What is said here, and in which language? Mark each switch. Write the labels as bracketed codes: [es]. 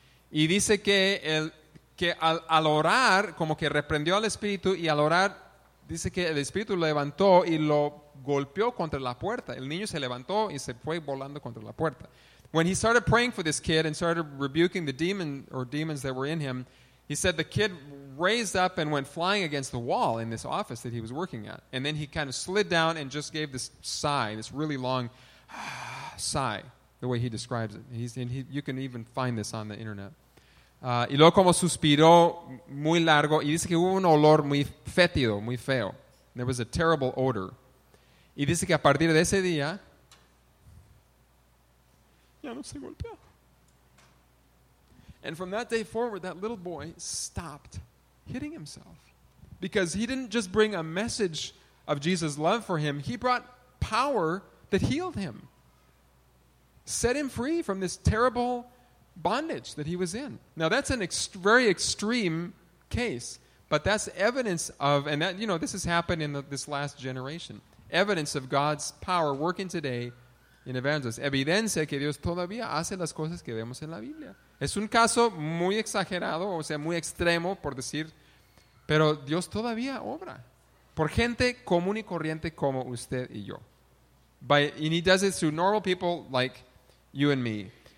[es] Y dice que al orar, como que reprendió al espíritu y al orar, dice que el espíritu lo levantó y lo golpeó contra la puerta. El niño se levantó y se fue volando contra la puerta. [en] When he started praying for this kid and started rebuking the demon or demons that were in him, he said the kid raised up and went flying against the wall in this office that he was working at. And then he kind of slid down and just gave this sigh, this really long sigh, the way he describes it. You can even find this on the internet. [es] Y luego como suspiró muy largo, y dice que hubo un olor muy fétido, muy feo. [en] There was a terrible odor. [es] Y dice que a partir de ese día, ya no se golpeó. [en] And from that day forward, that little boy stopped hitting himself. Because he didn't just bring a message of Jesus' love for him, he brought power that healed him. Set him free from this terrible bondage that he was in. Now that's an very extreme case, but that's evidence of, and that, you know, this has happened in this last generation. Evidence of God's power working today in evangelism. [es] Evidencia que Dios todavía hace las cosas que vemos en la Biblia. Es un caso muy exagerado, o sea, muy extremo, por decir, pero Dios todavía obra. Por gente común y corriente como usted y yo. [en] And he does it through normal people like you and me.